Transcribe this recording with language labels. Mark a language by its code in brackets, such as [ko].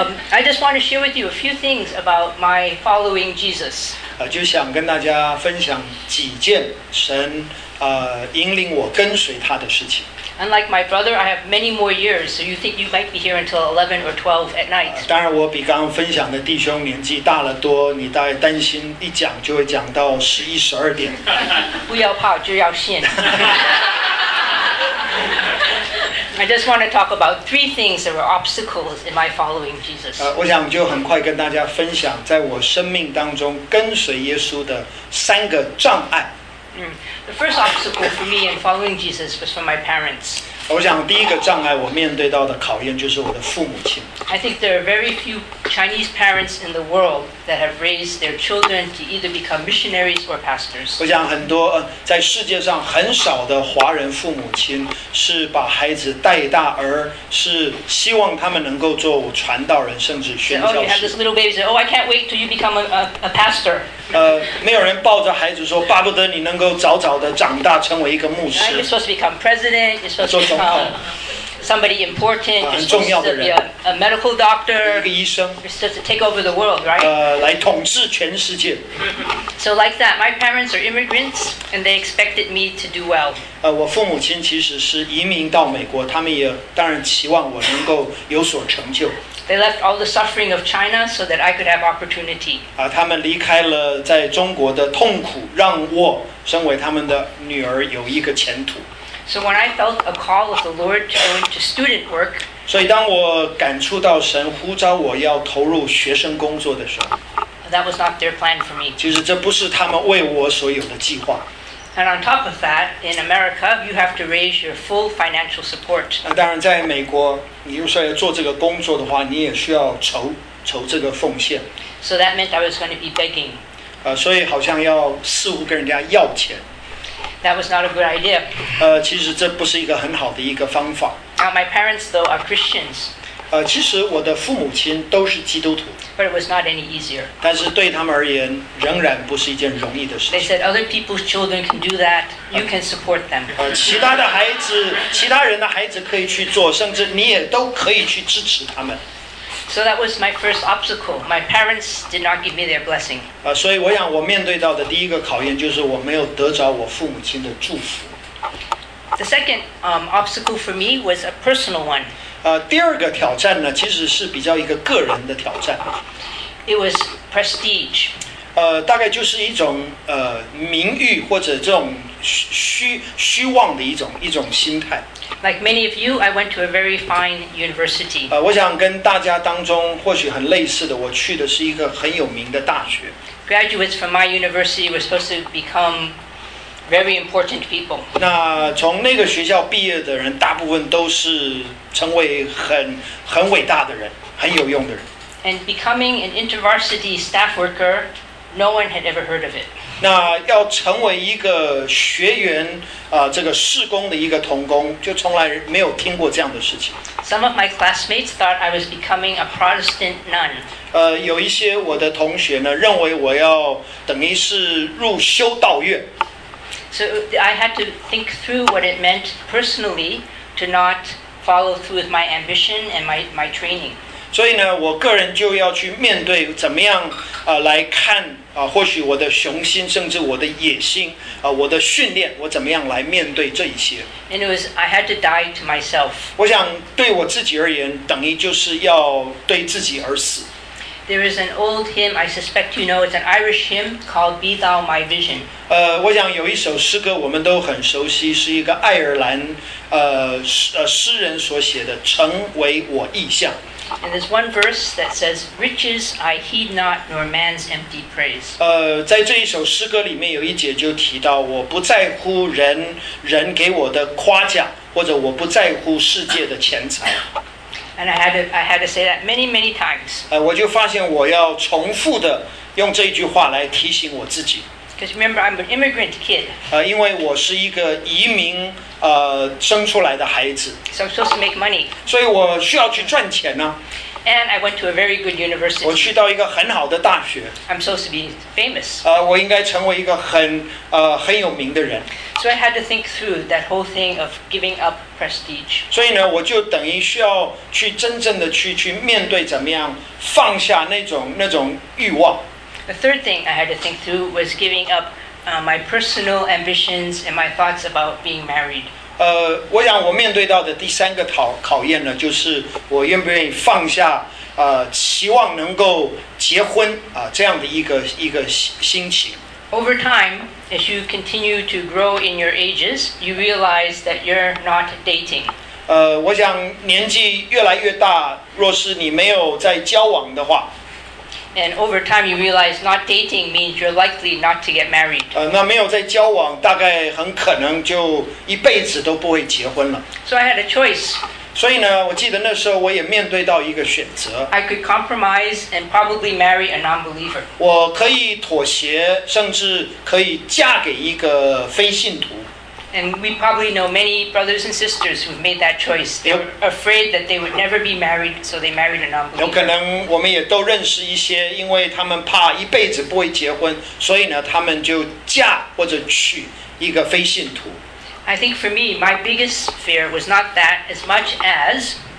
[en] I just want to share with you a few things about my following Jesus. [zh] 就想跟大家分享几件神引领我跟随他的事情。 [en] Unlike my brother, I have many more years, so you think you might be here until 11 or 12 at night. [zh] 当然我比刚刚分享的弟兄年纪大了多，你大概担心一讲就会讲到11、12点。不要怕，就要信。 [en] I just want to talk about three things that were obstacles in my following Jesus. [zh] 我想就很快跟大家分享在我生命当中跟随耶稣的三个障碍。 [en] The first obstacle for me in following Jesus was from my parents. [zh] 我想第一个障碍我面对到的考验就是我的父母亲。 [en] I think there are very few Chinese parents in the world that have raised their children to either become missionaries or pastors. [zh] 我想很多在世界上很少的华人父母亲是把孩子带大，而是希望他们能够做传道人，甚至宣教士。 [en] Oh, you have this little baby. Oh, I can't wait till you become a pastor. [zh] 没有人抱着孩子说，巴不得你能够早早的长大成为一个牧师。 [en] You're supposed to become president. You're supposed to become somebody important. [zh] 很重要的人。 [en] A medical doctor. [zh] 一个医生。 [en] You're supposed to take over the world, right? [zh] 来统治全世界。 [en] So like that, my parents are immigrants, and they expected me to do well. [zh] 我父母亲其实是移民到美国，他们也当然期望我能够有所成就。 [en] They left all the suffering of China so that I could have opportunity. [zh] 他们离开了在中国的痛苦，让我身为他们的女儿有一个前途。 [en] So when I felt a call of the Lord to go into student work, [zh] 所以当我感触到神呼召我要投入学生工作的时候， [en] that was not their plan for me. [zh] 其实这不是他们为我所有的计划。 [en] And on top of that, in America, you have to raise your full financial support. [zh] 当然在美国，你如果要做这个工作的话，你也需要筹这个奉献。 [en] So that meant I was going to be begging. [zh] 所以好像要似乎跟人家要钱。 [en] That was not a good idea. [zh] 其实这不是一个很好的一个方法。 [en] My parents, though, are Christians. [zh] 其实我的父母亲都是基督徒。 [en] But it was not any easier. [zh] 但是对他们而言，仍然不是一件容易的事情。 [en] They said other people's children can do that. You can support them. [zh] 其他人的孩子可以去做，甚至你也都可以去支持他们。 [en] So that was my first obstacle. My parents did not give me their blessing. [zh] 所以我想我面对到的第一个考验就是我没有得着我父母亲的祝福。 [en] The second obstacle for me was a personal one. [zh] 第二个挑战呢，其实是比较一个个人的挑战。 [en] It was prestige. [zh] 大概就是一种名誉或者这种虚妄的一种心态。 [en] Like many of you, I went to a very fine university. [zh] 我想跟大家当中或许很类似的，我去的是一个很有名的大学。 [en] Graduates from my university were supposed to become very important people. [zh] 那从那个学校毕业的人，大部分都是成为很伟大的人，很有用的人。 [en] And becoming an intervarsity staff worker, no one had ever heard of it. [zh] 那要成为一个学员这个事工的一个同工，就从来没有听过这样的事情。 [en] Some of my classmates thought I was becoming a Protestant nun. [zh] 有一些我的同学呢，认为我要等于是入修道院。 [en] So I had to think through what it meant personally to not follow through with my ambition and my training. [zh] 所以呢，我个人就要去面对怎么样来看或许我的雄心，甚至我的野心我的训练，我怎么样来面对这一些。 [en] And it was I had to die to myself. [zh] 我想对我自己而言，等于就是要对自己而死。 [en] There is an old hymn I suspect you know. It's an Irish hymn called "Be Thou My Vision." [zh] 我想有一首诗歌我们都很熟悉，是一个爱尔兰诗人所写的《成为我意象》。 [en] And there's one verse that says, "Riches I heed not, nor man's empty praise." [zh] 在这一首诗歌里面有一节就提到，我不在乎人给我的夸奖，或者我不在乎世界的钱财。 [en] And I had to say that many, many times. [zh] 我就发现我要重复的用这句话来提醒我自己。 [en] Because remember, I'm an immigrant kid. [zh] 因为我是一个移民生出来的孩子。 [en] So I'm supposed to make money. [zh] 所以我需要去赚钱呢。 [en] And I went to a very good university. [zh] 我去到一个很好的大学。 [en] I'm supposed to be famous. [zh] 我应该成为一个很有名的人。 [en] So I had to think through that whole thing of giving up prestige. [zh] 所以呢，我就等于需要去真正的去面对怎么样放下那种欲望。 [en] The third thing I had to think through was giving up my personal ambitions and my thoughts about being married. [zh] 我想我面对到的第三个考验呢，就是我愿不愿意放下期望能够结婚这样的一个心情。 [en] Over time, as you continue to grow in your ages, you realize that you're not dating. [zh] 我想年纪越来越大，若是你没有在交往的话。 [en] And over time, you realize not dating means you're likely not to get married. [zh] 那没有在交往，大概很可能就一辈子都不会结婚了。 [en] So I had a choice. [zh] 所以呢，我记得那时候我也面对到一个选择。 [en] I could compromise and probably marry a non-believer. [zh] 我可以妥协，甚至可以嫁给一个非信徒。 [en] And we probably know many brothers and sisters who've made that choice. They were afraid that they would never be married, so they married a non-believer. [zh] 有可能我们也都认识一些，因为他们怕一辈子不会结婚，所以呢，他们就嫁或者娶一个非信徒。 [en] I think for me, my biggest fear was not that as much as.